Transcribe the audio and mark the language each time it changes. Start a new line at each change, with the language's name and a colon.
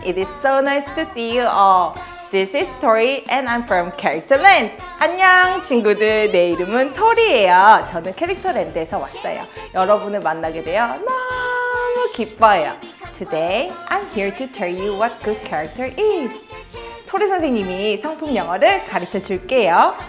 English: It is so nice to see you all. This is Tori and I'm from Characterland.
Korean: 안녕 친구들, 내 이름은 토리예요. 저는 캐릭터랜드에서 왔어요. 여러분을 만나게 되어 너무 기뻐요.
English: Today, I'm here to tell you what good character is.
Korean: 토리 선생님이 성품 영어를 가르쳐 줄게요.